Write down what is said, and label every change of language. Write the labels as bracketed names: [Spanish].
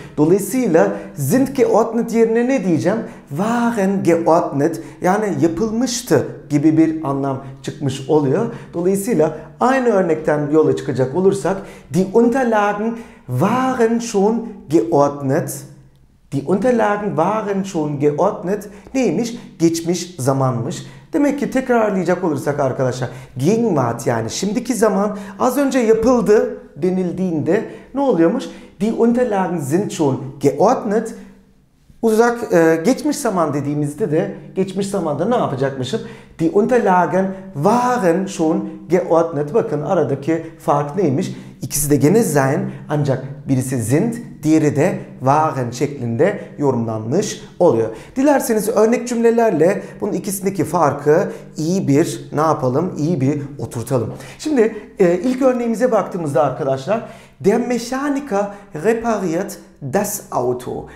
[Turkish] Dolayısıyla sind geordnet yerine ne diyeceğim? [German] Waren geordnet, [Turkish] yani yapılmıştı gibi bir anlam çıkmış oluyor. Dolayısıyla aynı örnekten yola çıkacak olursak [German] die Unterlagen waren schon geordnet. Die Unterlagen waren schon geordnet [Turkish] neymiş? Geçmiş zamanmış. Demek ki tekrarlayacak olursak arkadaşlar, Gegenwart, yani şimdiki zaman, az önce yapıldı denildiğinde ne oluyormuş? [German] Die Unterlagen sind schon geordnet. [Turkish] Uzak, geçmiş zaman dediğimizde de, geçmiş zamanda ne yapacakmışım? [German] Die Unterlagen waren schon geordnet. [Turkish] Bakın aradaki fark neymiş? İkisi de gene sein, ancak birisi sind, diğeri de waren şeklinde yorumlanmış oluyor. Dilerseniz örnek cümlelerle bunun ikisindeki farkı iyi bir ne yapalım, iyi bir oturtalım. Şimdi ilk örneğimize baktığımızda arkadaşlar, [German] der Mechaniker repariert das Auto.